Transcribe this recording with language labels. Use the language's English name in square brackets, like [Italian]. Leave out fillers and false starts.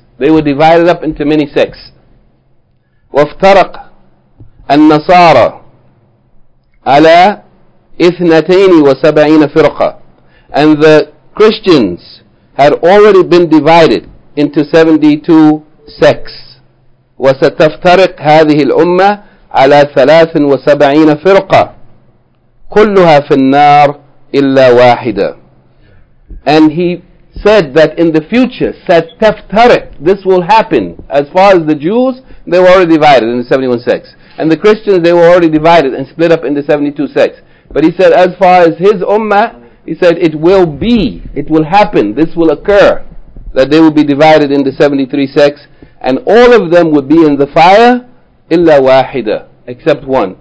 [English] They were divided up into many sects. [Arabic] وافترق النصارى على اثنتين وسبعين فرقة, [English] and the Christians had already been divided into 72 sects. [Arabic] وستفترق هذه الأمة على 73 فرقة كلها في النار إلا واحدة. [English] And he said that in the future, ستفترق, this will happen. As far as the Jews, they were already divided in 71 sects. And the Christians, they were already divided and split up into 72 sects. But he said, as far as his ummah, he said, it will be, it will happen, this will occur, that they will be divided into 73 sects, and all of them will be in the fire, [Arabic] illa wahida, [English] except one.